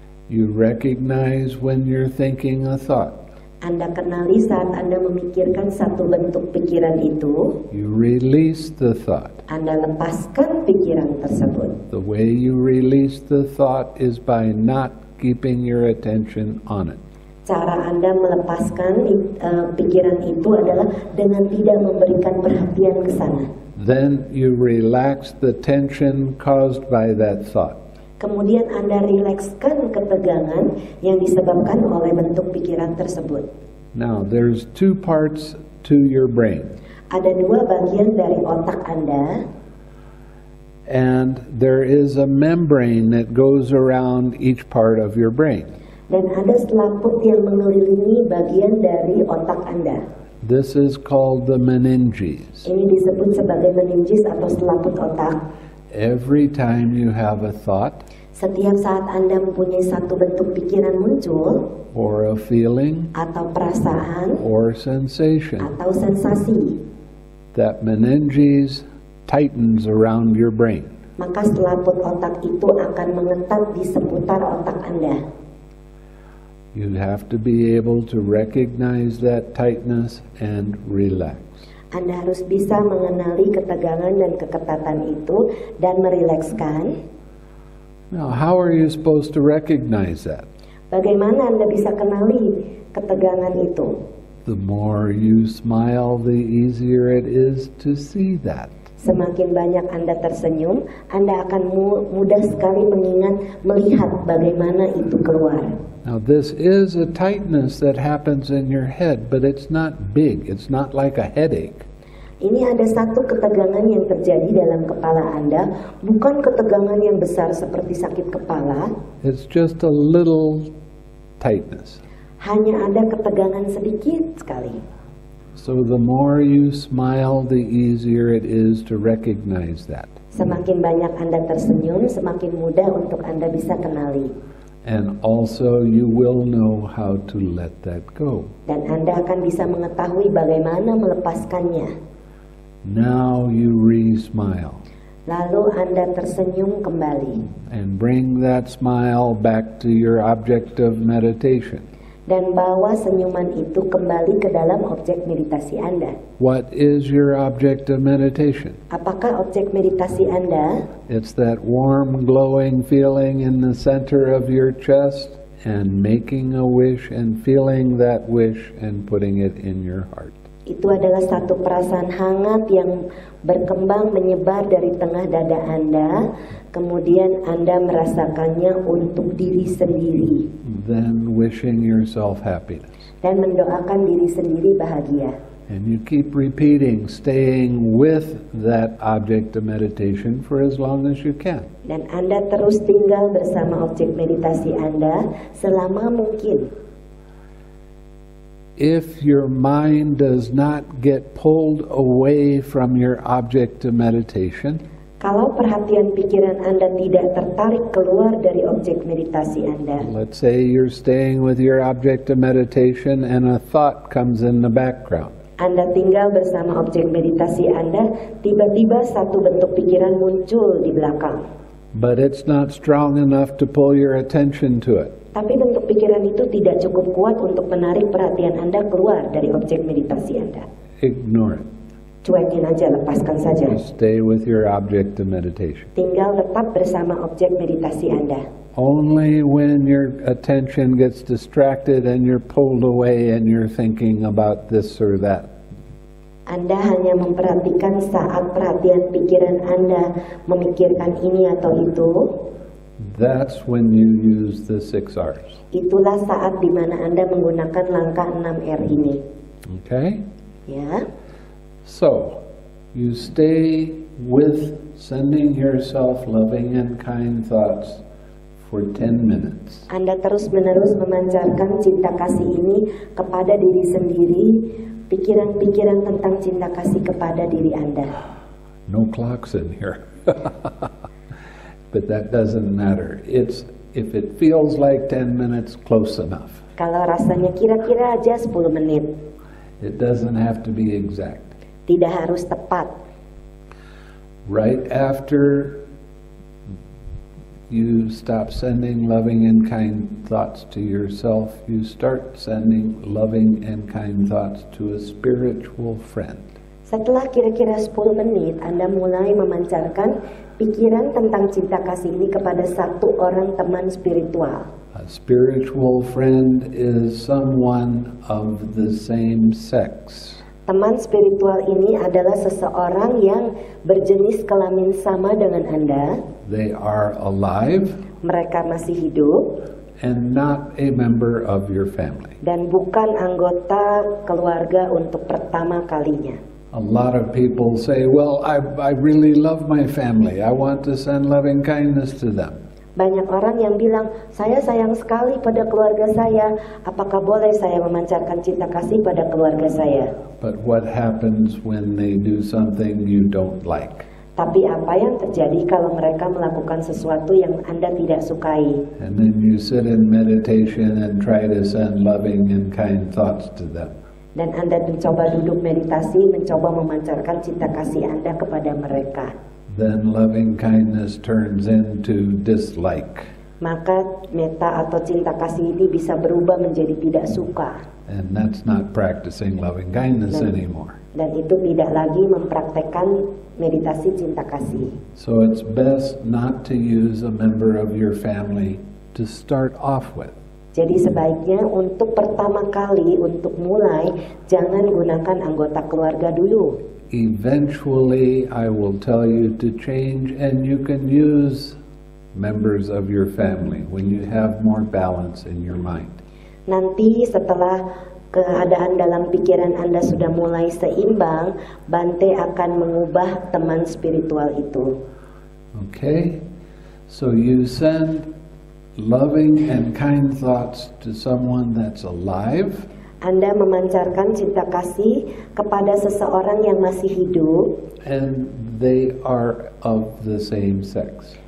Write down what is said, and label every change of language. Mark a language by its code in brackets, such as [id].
[en] You recognize when you're thinking a thought. [id] Anda kenali saat Anda memikirkan satu bentuk pikiran itu. [en] You release the thought. [id] Anda lepaskan pikiran tersebut. [en] The way you release the thought is by not keeping your attention on it. [id] Cara Anda melepaskan pikiran itu adalah dengan tidak memberikan perhatian ke sana. [en] Then you relax the tension caused by that thought. [id] Kemudian Anda rilekskan ketegangan yang disebabkan oleh bentuk pikiran tersebut. [en] Now, there's two parts to your brain. [id] Ada dua bagian dari otak Anda. [en] And there is a membrane that goes around each part of your brain. [id] Dan ada selaput yang mengelilingi bagian dari otak Anda. [en] This is called the meninges. [id] Ini disebut sebagai meninges atau selaput otak. [en] Every time you have a thought, [id] setiap saat Anda mempunyai satu bentuk pikiran muncul, [en] or a feeling, [id] atau perasaan, [en] or sensation, [id] atau sensasi, [en] that meninges tightens around your brain. [id] Maka selaput otak itu akan mengetat di seputar otak Anda. [en] You have to be able to recognize that tightness and relax. [id] Anda harus bisa mengenali ketegangan dan keketatan itu dan merilekskan. [en] Now, how are you supposed to recognize that? [id] Bagaimana Anda bisa kenali ketegangan itu? [en] The more you smile, the easier it is to see that. [id] Semakin banyak Anda tersenyum, Anda akan mudah sekali mengingat, melihat bagaimana itu keluar. [en] Now this is a tightness that happens in your head, but it's not big. It's not like a headache. [id] Ini ada satu ketegangan yang terjadi dalam kepala Anda, bukan ketegangan yang besar seperti sakit kepala. [en] It's just a little tightness. [id] Hanya ada ketegangan sedikit sekali. [en] So the more you smile, the easier it is to recognize that. [id] Semakin banyak Anda tersenyum, semakin mudah untuk Anda bisa kenali. [en] And also you will know how to let that go. [id] Dan Anda akan bisa mengetahui bagaimana melepaskannya. [en] Now you re-smile. [id] Lalu Anda tersenyum kembali. [en] And bring that smile back to your object of meditation. [id] Dan bawa senyuman itu kembali ke dalam objek meditasi Anda. [en] What is your object of meditation? [id] Apakah objek meditasi Anda? [en] It's that warm glowing feeling in the center of your chest and making a wish and feeling that wish and putting it in your heart. [id] Itu adalah satu perasaan hangat yang berkembang menyebar dari tengah dada Anda, kemudian Anda merasakannya untuk diri sendiri. [en] Then wishing yourself happiness. [id] Dan mendoakan diri sendiri bahagia. [en] And you keep repeating, staying with that object of meditation for as long as you can. [id] Dan Anda terus tinggal bersama objek meditasi Anda selama mungkin. [en] If your mind does not get pulled away from your object of meditation, [id] kalau perhatian pikiran Anda tidak tertarik keluar dari objek meditasi Anda, [en] let's say you're staying with your object of meditation and a thought comes in the background. [id] Anda tinggal bersama objek meditasi Anda, tiba-tiba satu bentuk pikiran muncul di belakang. [en] But it's not strong enough to pull your attention to it. [id] Tapi bentuk pikiran itu tidak cukup kuat untuk menarik perhatian Anda keluar dari objek meditasi Anda. [en] Ignore it. [id] Cuekin aja, lepaskan saja. [en] Stay with your object of meditation. [id] Tinggal tetap bersama objek meditasi Anda. [en] Only when your attention gets distracted and you're pulled away and you're thinking about this or that. [id] Anda hanya memperhatikan saat perhatian pikiran Anda memikirkan ini atau itu. [en] That's when you use the six R's. [id] Itulah saat di mana Anda menggunakan langkah 6 R ini. [en] Okay? [id] Ya. [en] Yeah. So, you stay with sending yourself loving and kind thoughts for 10 minutes. [id] Anda terus-menerus memancarkan cinta kasih ini kepada diri sendiri, pikiran-pikiran tentang cinta kasih kepada diri Anda. [en] No clocks in here. But that doesn't matter. It's if it feels like 10 minutes, close enough. [id] Kalau rasanya kira-kira aja 10 menit. [en] It doesn't have to be exact. [id] Tidak harus tepat. [en] Right after you stop sending loving and kind thoughts to yourself, you start sending loving and kind thoughts to a spiritual friend. [id] Setelah kira-kira 10 menit, Anda mulai memancarkan pikiran tentang cinta kasih ini kepada satu orang teman spiritual. [en] A spiritual friend is someone of the same sex. [id] Teman spiritual ini adalah seseorang yang berjenis kelamin sama dengan Anda. [en] They are alive. [id] Mereka masih hidup. [en] And not a member of your family. [id] Dan bukan anggota keluarga untuk pertama kalinya. [en] A lot of people say, well, I really love my family. I want to send loving kindness to them. [id] Banyak orang yang bilang, saya sayang sekali pada keluarga saya. Apakah boleh saya memancarkan cinta kasih pada keluarga saya? [en] But what happens when they do something you don't like? [id] Tapi apa yang terjadi kalau mereka melakukan sesuatu yang Anda tidak sukai? [en] And then you sit in meditation and try to send loving and kind thoughts to them. [id] Dan Anda mencoba duduk meditasi, mencoba memancarkan cinta kasih Anda kepada mereka. [en] Then loving kindness turns into dislike. [id] Maka metta atau cinta kasih ini bisa berubah menjadi tidak suka. [en] And that's not practicing loving kindness anymore. [id] Dan itu tidak lagi mempraktekkan meditasi cinta kasih. [en] So it's best not to use a member of your family to start off with. [id] Jadi sebaiknya untuk pertama kali untuk mulai jangan gunakan anggota keluarga dulu. [en] Eventually, I will tell you to change, and you can use members of your family when you have more balance in your mind. [id] Nanti setelah keadaan dalam pikiran Anda sudah mulai seimbang, Bante akan mengubah teman spiritual itu. [en] Okay, so you send loving and kind thoughts to someone that's alive. [id] Anda memancarkan cinta kasih kepada seseorang yang masih hidup. [en] And they are of the same sex.